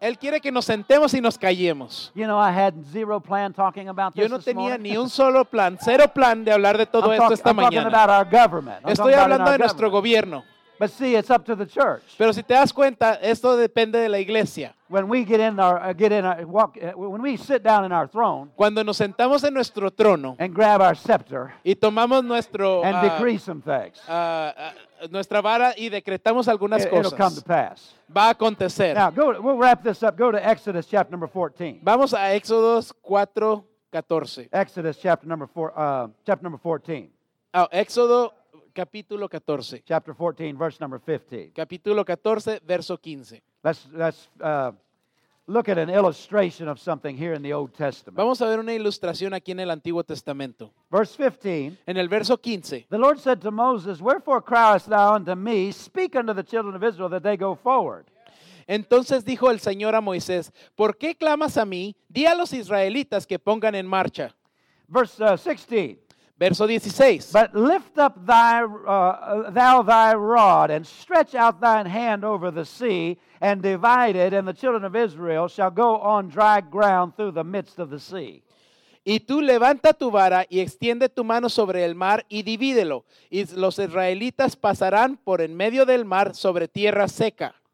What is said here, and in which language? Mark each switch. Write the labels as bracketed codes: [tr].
[es] Él quiere que nos sentemos y nos callemos. [en] You know, I had zero plan talking about [es] Yo [en] this [es] no [en] this [es] tenía [en] morning. [es] Ni un solo plan, cero plan de hablar de todo [en] I'm [es] esto esta [en] I'm [es] mañana. [en] Talking about our government. I'm [es] Estoy hablando de nuestro gobierno. [en] But see, it's up to the church. [es] Pero si te das cuenta, esto depende de la iglesia. [en] When we when we sit down in our throne, [es] cuando nos sentamos en nuestro trono, [en] and grab our scepter, [es] y tomamos nuestro [en] and decree some things, [es] nuestra vara y decretamos algunas cosas, [en] it'll come to pass. [es] Va a acontecer. [en] Now, we'll wrap this up. Go to Exodus chapter number 14. [es] Vamos a Éxodos 4:14. [en] Exodus chapter number 14. [es] Oh, Éxodo. Capítulo 14. [en] Chapter 14, verse number 15. [es] Capítulo 14, verso 15. [en] Let's look at an illustration of something here in the Old Testament. [es] Vamos a ver una ilustración aquí en el Antiguo Testamento. [en] Verse 15. [es] En el verso 15. [en] The Lord said to Moses, Wherefore criest thou unto me? Speak unto the children of Israel that they go forward. [es] Entonces dijo el Señor a Moisés, ¿Por qué clamas a mí? Di a los israelitas que pongan en marcha. [en] Verse 16. [es] Verso 16. [en] But lift up thou thy rod and stretch out thine hand over the sea and divide it, and the children of Israel shall go on dry ground through the midst of the sea. [es] Y tú levanta tu vara y extiende tu mano sobre el mar y divídelo, y los israelitas pasarán por en medio del mar sobre tierra seca.